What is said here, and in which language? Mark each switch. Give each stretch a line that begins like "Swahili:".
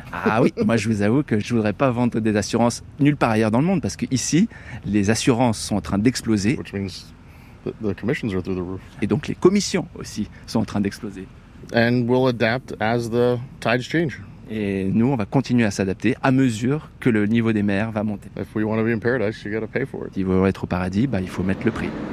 French: Ah oui, moi je vous avoue que je voudrais pas vendre des assurances nulle part ailleurs dans le monde parce que ici les assurances sont en train d'exploser.
English: Which means the commissions are through the roof.
French: Et donc les commissions aussi sont en train d'exploser.
English: And we'll adapt as the tides change.
French: Et nous, on va continuer à s'adapter à mesure que le niveau des mers va monter.
English: If we want to be in paradise, you got to pay for it.
French: Si vous voulez être au paradis, bah, il faut mettre le prix.